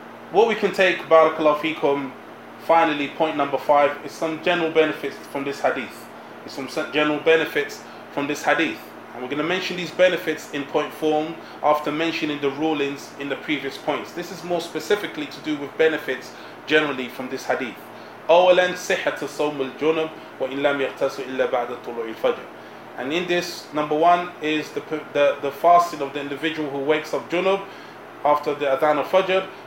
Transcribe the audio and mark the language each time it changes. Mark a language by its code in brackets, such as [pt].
[en] What we can take, barakallahu fikum, finally, point number 5, is some general benefits from this hadith. And we're going to mention these benefits in point form after mentioning the rulings in the previous points. This is more specifically to do with benefits generally from this hadith. [ar] أولاً صحة صوم الجنب وإن لم يغتسل إلا بعد طلوع الفجر. [en] And in this, number 1 is the fasting of the individual who wakes up junub after the adhan of fajr.